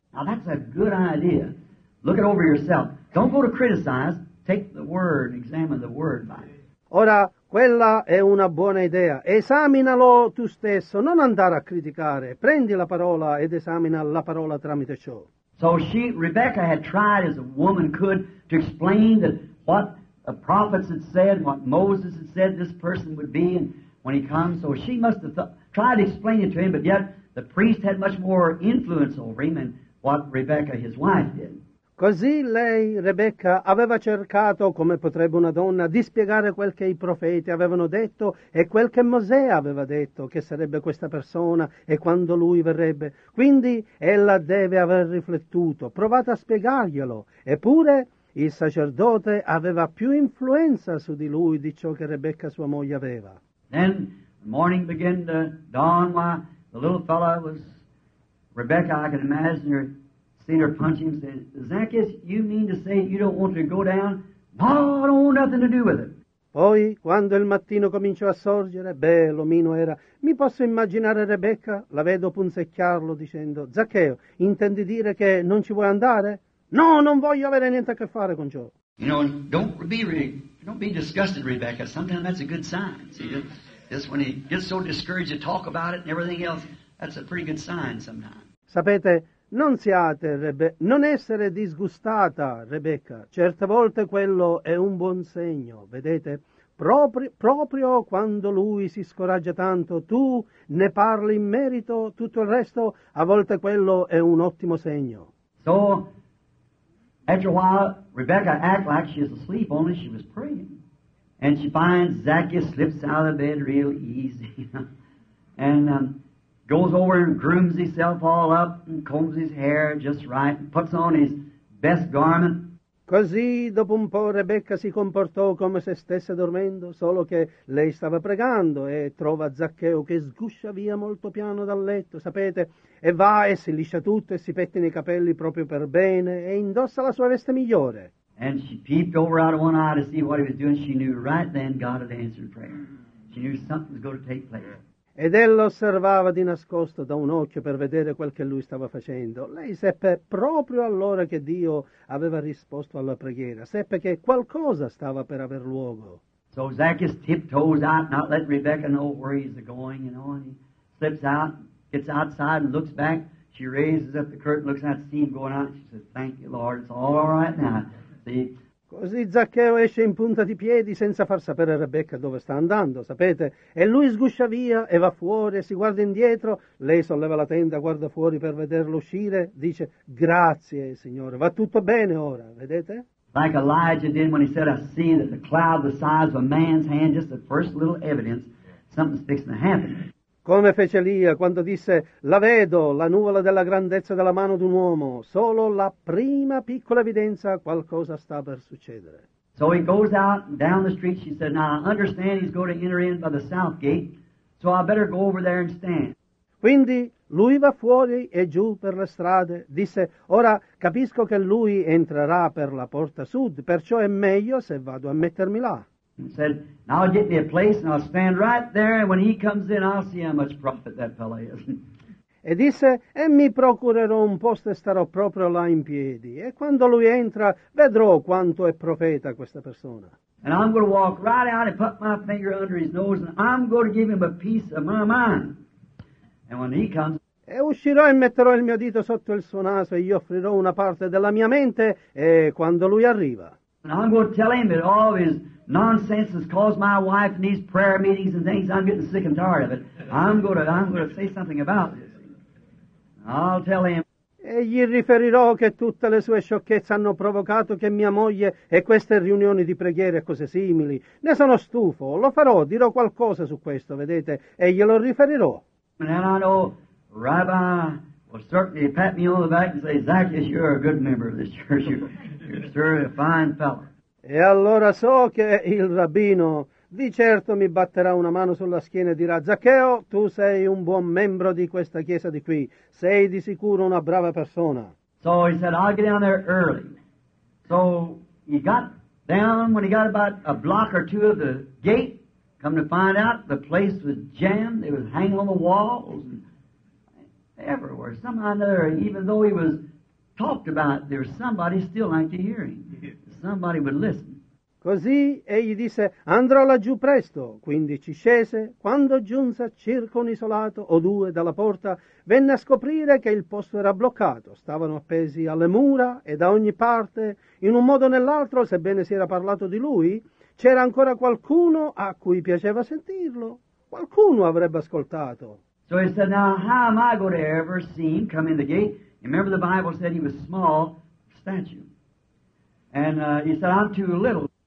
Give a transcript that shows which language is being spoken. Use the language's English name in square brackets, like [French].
[English] Now that's a good idea. Look it over yourself. Don't go to criticize. Take the word, examine the word by it. [Italian] Ora, quella è una buona idea. Esaminalo tu stesso, non andare a criticare. Prendi la parola ed esamina la parola tramite ciò. [English] So she, Rebecca, had tried as a woman could to explain that what the prophets had said, what Moses had said this person would be and when he comes. So she must have tried to explain it to him, but yet the priest had much more influence over him than what Rebecca, his wife, did. [Italian] Così lei, Rebecca, aveva cercato, come potrebbe una donna, di spiegare quel che i profeti avevano detto e quel che Mosè aveva detto, che sarebbe questa persona e quando lui verrebbe. Quindi ella deve aver riflettuto, provata a spiegarglielo. Eppure il sacerdote aveva più influenza su di lui di ciò che Rebecca, sua moglie, aveva. [English] Then the morning began to dawn while the little fellow was Rebecca, I can imagine her. Seen her punch him and said, Zacchaeus, you mean to say you don't want to go down? No, I don't want nothing to do with it. [Italian] Poi, quando il mattino cominciò a sorgere, beh, l'omino era, mi posso immaginare Rebecca? La vedo punzecchiarlo dicendo, Zaccheo, intendi dire che non ci vuoi andare? No, non voglio avere niente a che fare con ciò. [English] You know, don't be disgusted, Rebecca. Sometimes that's a good sign. See, just when he gets so discouraged to talk about it and everything else, that's a pretty good sign sometimes. [Italian] Sapete, non siate, non essere disgustata, Rebecca. Certe volte quello è un buon segno, vedete? Proprio quando lui si scoraggia tanto, tu ne parli in merito, tutto il resto, a volte quello è un ottimo segno. [English] So, after a while, Rebecca acts like she is asleep, only she was praying. And she finds Zacchaeus slips out of the bed real easy. And goes over and grooms himself all up and combs his hair just right and puts on his best garment. [Italian] Così, dopo un po', Rebecca si comportò come se stesse dormendo, solo che lei stava pregando e trova Zaccheo che sguscia via molto piano dal letto, sapete, e va e si liscia tutto e si pettina i capelli proprio per bene e indossa la sua veste migliore. [English] And she peeped over out of one eye to see what he was doing. She knew right then God had answered prayer. She knew something was going to take place. [Italian] Ed ella osservava di nascosto da un occhio per vedere quel che lui stava facendo. Lei seppe proprio allora che Dio aveva risposto alla preghiera. Seppe che qualcosa stava per aver luogo. [English] So Zacchaeus tiptoes out, not letting Rebecca know where he's going, you know, and he slips out, gets outside and looks back. She raises up the curtain, looks out, see him going out. She says, thank you, Lord, it's all right now. See? [Italian] Così Zaccheo esce in punta di piedi senza far sapere a Rebecca dove sta andando, sapete? E lui sguscia via e va fuori e si guarda indietro. Lei solleva la tenda, guarda fuori per vederlo uscire. Dice, grazie, Signore, va tutto bene ora, vedete? [English] Like Elijah did when he said, I see that the cloud the size of a man's hand, just the first little evidence, something's fixing to happen. [Italian] Come fece Elia quando disse, la vedo, la nuvola della grandezza della mano d'un uomo, solo la prima piccola evidenza, qualcosa sta per succedere. [English] So he goes out down the street, she said, now I understand he's going to enter in by the south gate, so I better go over there and stand. [Italian] Quindi Lui va fuori e giù per le strade. Disse, ora capisco che lui entrerà per la porta sud, perciò è meglio se vado a mettermi là. [English] And said, now get me a place and I'll stand right there and when he comes in I'll see how much profit that fellow is. [Italian] E disse, e mi procurerò un posto e starò proprio là in piedi. E quando lui entra, vedrò quanto è profeta questa persona. [English] And I'm going to walk right out and put my finger under his nose and I'm going to give him a piece of my mind. And when he comes, [Italian] e uscirò e metterò il mio dito sotto il suo naso e gli offrirò una parte della mia mente e quando lui arriva. [English] And I'm going to tell him that all of his nonsense has caused my wife in these prayer meetings and things. I'm getting sick and tired of it. I'm going to say something about this. I'll tell him. [Italian] E gli riferirò che tutte le sue sciocchezze hanno provocato che mia moglie e queste riunioni di preghiere e cose simili. Ne sono stufo, lo farò, dirò qualcosa su questo, vedete, e glielo riferirò. [English] And I know Rabbi will certainly pat me on the back and say, Zacchaeus, you're a good member of this church. You're certainly a fine fellow. [Italian] E allora so che il rabbino di certo mi batterà una mano sulla schiena e dirà, Zaccheo, tu sei un buon membro di questa chiesa di qui. Sei di sicuro una brava persona. [English] So he said, I'll get down there early. So he got down when he got about a block or two of the gate. Come to find out, the place was jammed. It was hanging on the walls and everywhere. Somehow or another, even though he was talked about, there was somebody still like to hear him. Somebody would listen. [Italian] Così egli disse, andrò laggiù presto. Quindi ci scese. Quando giunse circa un isolato o due dalla porta, venne a scoprire che il posto era bloccato. Stavano appesi alle mura e da ogni parte, in un modo o nell'altro, sebbene si era parlato di lui, c'era ancora qualcuno a cui piaceva sentirlo. Qualcuno avrebbe ascoltato. [English] So he said, now how am I going to ever see him come in the gate? Remember the Bible said he was small stature. And he said, I'm too little.